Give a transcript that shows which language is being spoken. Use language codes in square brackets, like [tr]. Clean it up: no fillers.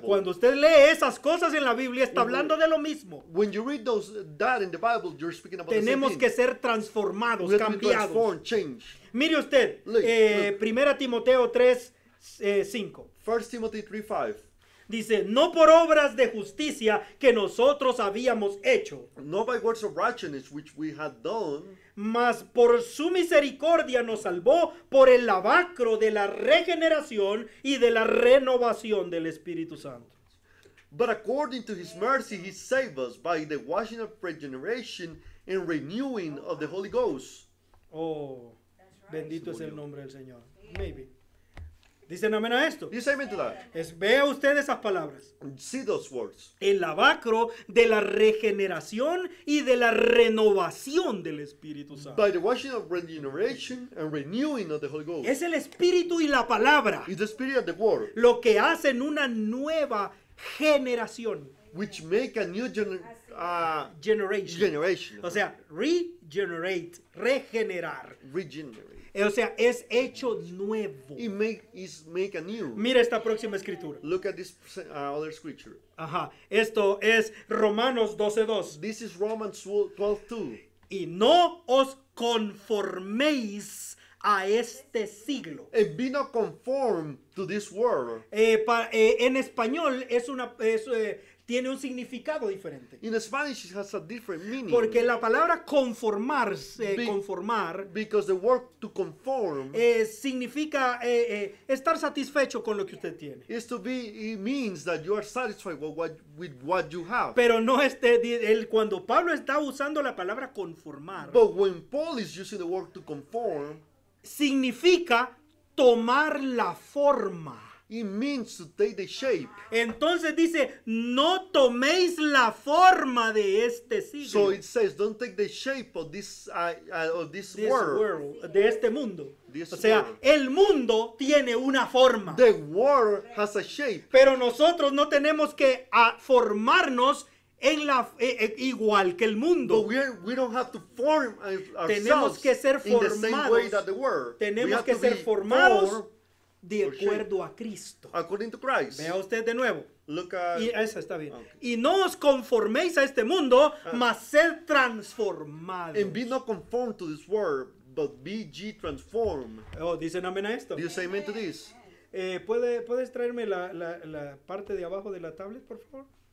[es] Cuando usted lee esas cosas en la Biblia, está hablando de lo mismo. [en] When you read those that in the Bible, you're speaking about [es] Tenemos [en] the same [es] que [en] thing. [es] Ser transformados, we cambiados. [en] Transform, change. [es] Mire usted, Primera Timoteo 3:5. [en] First Timothy 3:5. [es] Dice, no por obras de justicia que nosotros habíamos hecho. [en] Not by works of righteousness which we had done. [es] Mas por su misericordia nos salvó por el lavacro de la regeneración y de la renovación del Espíritu Santo. [en] But according to his mercy he saved us by the washing of regeneration and renewing of the Holy Ghost. [es] Oh, bendito es el nombre del Señor. Maybe. ¿Dicen amén a esto? [en] You say amen to that. [es] Vea usted esas palabras. [en] See those words. [es] El lavacro de la regeneración y de la renovación del Espíritu Santo. [en] By the washing of regeneration and renewing of the Holy Ghost. [es] Es el Espíritu y la palabra. [en] It's the Spirit and the Word. [es] Lo que hacen una nueva generación. [en] Which make a new generation. Generation. [es] O sea, regenerate, regenerar. [en] Regenerate. [es] O sea, es hecho nuevo. [en] Make a new. [es] Mira esta próxima escritura. [en] Look at this other scripture. [es] Ajá. Esto es Romanos 12:2. [en] This is Romans 12:2. [es] Y no os conforméis a este siglo. [en] And be not conform to this world. [es] En español es una tiene un significado diferente. [en] In Spanish it has a different meaning. [es] Porque la palabra conformarse, conformar. [en] Because the word to conform. [es] Significa estar satisfecho con lo que usted tiene. [en] Is to be, it means that you are satisfied with what you have. [es] Pero no cuando Pablo está usando la palabra conformar. [en] But when Paul is using the word to conform. [es] Significa tomar la forma. [en] It means to take the shape. [es] Entonces dice, no toméis la forma de este siglo. [en] So it says, don't take the shape of this world. [es] De este mundo. [en] This [es] o sea, [en] world. [es] El mundo tiene una forma. [en] The world has a shape. [es] Pero nosotros no tenemos que formarnos en la igual que el mundo. [en] But we don't have to form ourselves. [es] Tenemos que ser formados. [en] In the same way that the world. [es] Tenemos que ser formados. De acuerdo a Cristo. [en] According to Christ. [es] Vea usted de nuevo. [en] Look at... [es] Y esa está bien. Okay. Y no os conforméis a este mundo, mas sed transformados. [en] And be not conformed to this world, but be ye transformed. [es] Oh, dicen amén a esto. [en] Do you say amen to this? [es] ¿Puedes traerme la parte de abajo de la tablet, por favor?